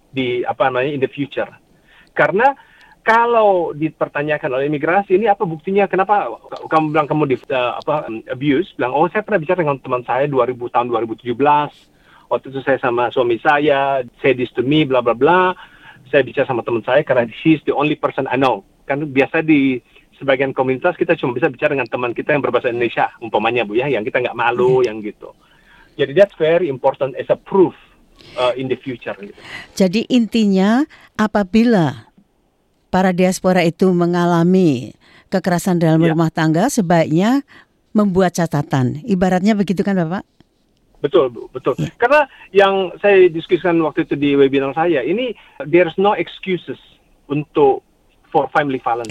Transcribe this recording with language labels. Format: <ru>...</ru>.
<id>In the future. Karena kalau dipertanyakan oleh imigrasi, ini apa buktinya, kenapa kamu bilang kamu abuse, bilang, oh, saya pernah bicara dengan teman saya tahun 2017, waktu itu saya sama suami saya,</id> <en>say this to me,</en> <id>bla bla bla, saya bicara sama teman saya karena</id> <en>she's the only person I know.</en> <id>Kan biasa di sebagian komunitas kita cuma bisa bicara dengan teman kita yang berbahasa Indonesia, umpamanya, Bu, ya, yang kita nggak malu, yang gitu. Jadi</id> <en>that's very important as a proof. In the future.</en> <id>Jadi intinya apabila para diaspora itu mengalami kekerasan dalam rumah tangga, sebaiknya membuat catatan. Ibaratnya begitu, kan, Bapak? Betul, betul. Yeah. Karena yang saya diskusikan waktu itu di webinar saya, ini</id> <en>there's no excuses</en> <id>untuk</id> <en>for family violence.</en>